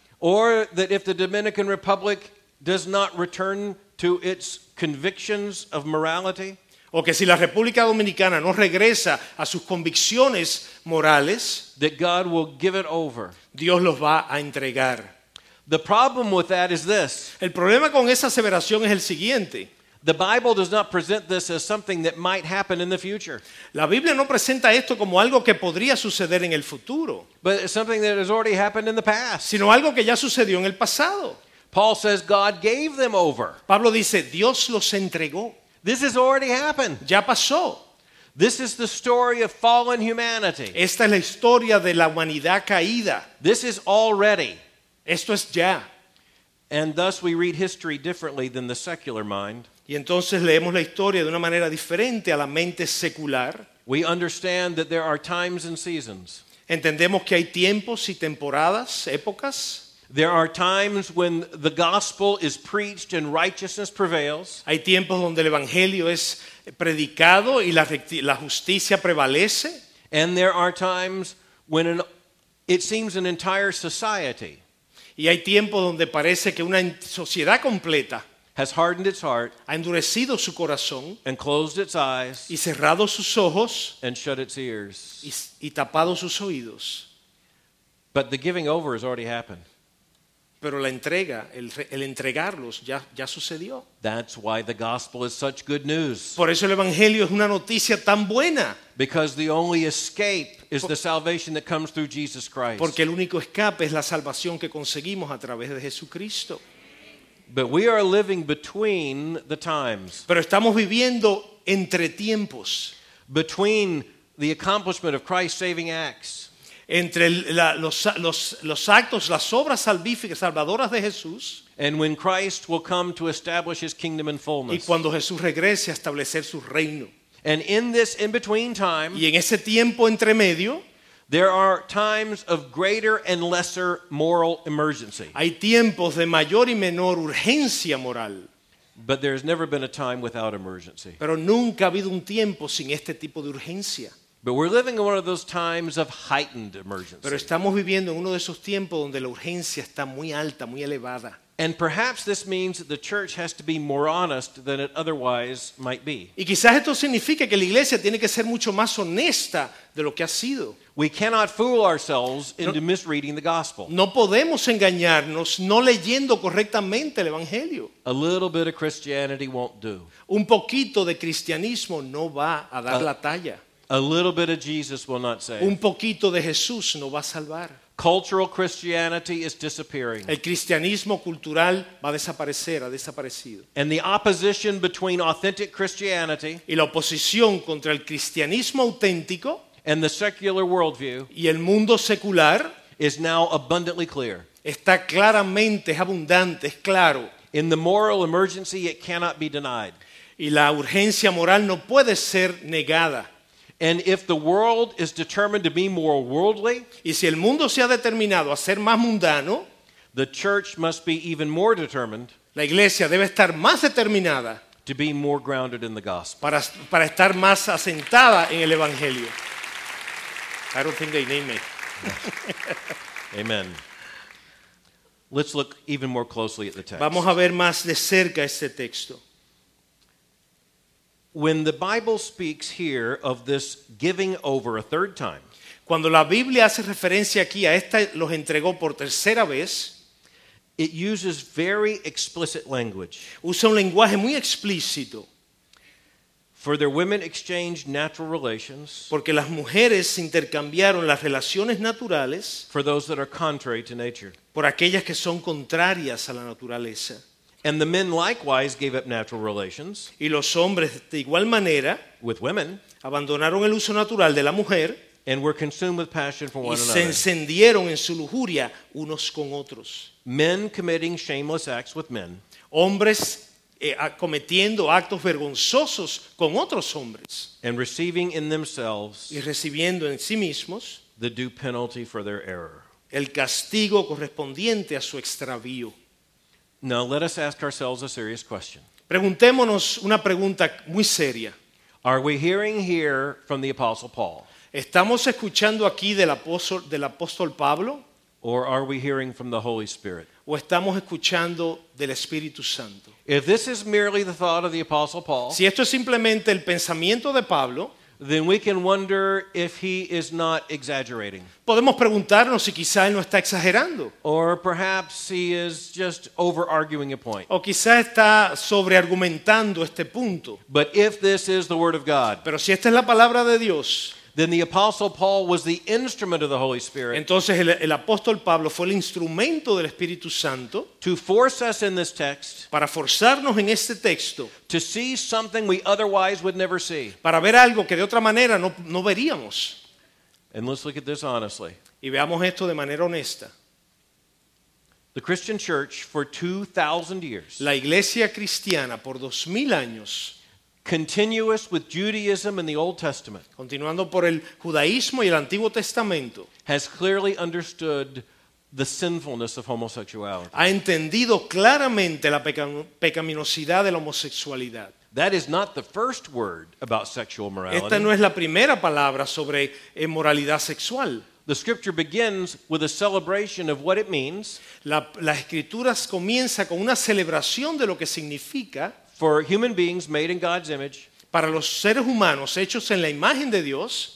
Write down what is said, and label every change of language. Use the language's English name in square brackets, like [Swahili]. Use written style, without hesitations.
[English] Or that if the Dominican Republic does not return to its convictions of morality, [Spanish] o que si la República Dominicana no regresa a sus convicciones morales, [English] that God will give it over. [Spanish] Dios los va a entregar. [English] The problem with that is this. [Spanish] El problema con esa aseveración es el siguiente. [English] The Bible does not present this as something that might happen in the future. [Spanish] La Biblia no presenta esto como algo que podría suceder en el futuro. [English] But something that has already happened in the past. [Spanish] Sino algo que ya sucedió en el pasado. [English] Paul says God gave them over. [Spanish] Pablo dice, Dios los entregó. [English] This has already happened. [Spanish] Ya pasó. [English] This is the story of fallen humanity. [Spanish] Esta es la historia de la humanidad caída. [English] This is already. [Spanish] Esto es ya. [English] And thus we read history differently than the secular mind. [Spanish] Y entonces leemos la historia de una manera diferente a la mente secular. [English] We understand that there are times and seasons. [Spanish] Entendemos que hay tiempos y temporadas, épocas. [English] There are times when the gospel is preached and righteousness prevails. [Spanish] Hay tiempos donde el evangelio es predicado y la justicia prevalece. [English] And there are times when it seems an entire society. [Spanish] Y hay tiempos donde parece que una sociedad completa [English] has hardened its heart, [Spanish] ha endurecido su corazón, [English] and closed its eyes, [Spanish] y cerrado sus ojos, [English] and shut its ears, [Spanish] y tapado sus oídos. [English] But the giving over has already happened. [Spanish] Pero la entrega, el entregarlos ya sucedió. [English] That's why the gospel is such good news. [Spanish] Por eso el evangelio es una noticia tan buena. [English] Because the only escape is the salvation that comes through Jesus Christ. [Spanish] Porque el único escape es la salvación que conseguimos a través de Jesucristo. [English] But we are living between the times. [Spanish] Pero estamos viviendo entre tiempos. [English] Between the accomplishment of Christ's saving acts. [Spanish] Entre los actos, las obras salvíficas, salvadoras de Jesús. [English] And when Christ will come to establish his kingdom in fullness. [Spanish] Y cuando Jesús regrese a establecer su reino. [English] And in this in-between time. [Spanish] Y en ese tiempo entre medio. [English] There are times of greater and lesser moral emergency. [Spanish] Hay tiempos de mayor y menor urgencia moral. [English] But there's never been a time without emergency. [Spanish] Pero nunca ha habido un tiempo sin este tipo de urgencia. [English] But we're living in one of those times of heightened emergency. [Spanish] Pero estamos viviendo en uno de esos tiempos donde la urgencia está muy alta, muy elevada. [English] And perhaps this means that the church has to be more honest than it otherwise might be. [Spanish] Y quizás esto signifique que la iglesia tiene que ser mucho más honesta de lo que ha sido. [English] We cannot fool ourselves into misreading the gospel. [Spanish] No podemos engañarnos no leyendo correctamente el evangelio. [English] A little bit of Christianity won't do. [Spanish] Un poquito de cristianismo no va a dar la talla. [English] A little bit of Jesus will not save. [Spanish] Un poquito de Jesús no va a salvar. [English] Cultural Christianity is disappearing. [Spanish] El cristianismo cultural va a desaparecer, ha desaparecido. [English] And the opposition between authentic Christianity [Spanish] y la oposición contra el cristianismo auténtico [English] and the secular worldview [Spanish] y el mundo secular [English] is now abundantly clear. [Spanish] Está claramente, es abundante, es claro. [English] In the moral emergency, it cannot be denied. [Spanish] Y la urgencia moral no puede ser negada. [English] And if the world is determined to be more worldly, [Spanish] y si el mundo se ha determinado a ser más mundano, [English] the church must be even more determined. [Spanish] La iglesia debe estar más determinada [English] to be more grounded in the gospel. [Spanish] Para estar más asentada en el evangelio. [English] I don't think they need me. Amen. Let's look even more closely at the text. [Spanish] Vamos a ver más de cerca este texto. [English] When the Bible speaks here of this giving over a third time, [Spanish] cuando la Biblia hace referencia aquí a esta los entregó por tercera vez, [English] it uses very explicit language. [Spanish] Usa un lenguaje muy explícito. [English] For their women exchanged natural relations, [Spanish] porque las mujeres intercambiaron las relaciones naturales, [English] for those that are contrary to nature, [Spanish] por aquellas que son contrarias a la naturaleza. [English] And the men likewise gave up natural relations. [Spanish] Y los hombres de igual manera [English] with women, [Spanish] abandonaron el uso natural de la mujer [English] and were consumed with passion for one another. [Spanish] Y se encendieron en su lujuria unos con otros. [English] Men committing shameless acts with men. [Spanish] Hombres cometiendo actos vergonzosos con otros hombres. [English] And receiving in themselves [Spanish] y recibiendo en sí mismos [English] the due penalty for their error. [Spanish] El castigo correspondiente a su extravío. [English] Now let us ask ourselves a serious question. [Spanish] Preguntémonos una pregunta muy seria. [English] Are we hearing here from the Apostle Paul? [Spanish] ¿Estamos escuchando aquí del apóstol Pablo? [English] Or are we hearing from the Holy Spirit? [Spanish] ¿O estamos escuchando del Espíritu Santo? [English] If this is merely the thought of the Apostle Paul, [Spanish] si esto es simplemente el pensamiento de Pablo, [English] then we can wonder if he is not exaggerating. [Spanish] Podemos preguntarnos si quizá él no está exagerando. [English] Or perhaps he is just over-arguing a point. [Spanish] O quizá está sobre-argumentando este punto. [English] But if this is the Word of God, [Spanish] pero si esta es la palabra de Dios, [English] then the Apostle Paul was the instrument of the Holy Spirit. [Spanish] Entonces el apóstol Pablo fue el instrumento del Espíritu Santo. [English] To force us in this text. [Spanish] Para forzarnos en este texto. [English] To see something we otherwise would never see. [Spanish] Para ver algo que de otra manera no veríamos. [English] And let's look at this honestly. [Spanish] Y veamos esto de manera honesta. [English] The Christian Church for 2,000 years. [Spanish] La iglesia cristiana por 2,000 años. [English] Continuous with Judaism and the Old Testament. [Spanish] Continuando por el judaísmo y el Antiguo Testamento. [English] Has clearly understood the sinfulness of homosexuality. [Spanish] Ha entendido claramente la pecaminosidad de la homosexualidad. [English] That is not the first word about sexual morality. [Spanish] Esta no es la primera palabra sobre moralidad sexual. [English] The scripture begins with a celebration of what it means. [Spanish] La escritura comienza con una celebración de lo que significa [English] for human beings made in God's image. [Spanish] Para los seres humanos hechos en la imagen de Dios,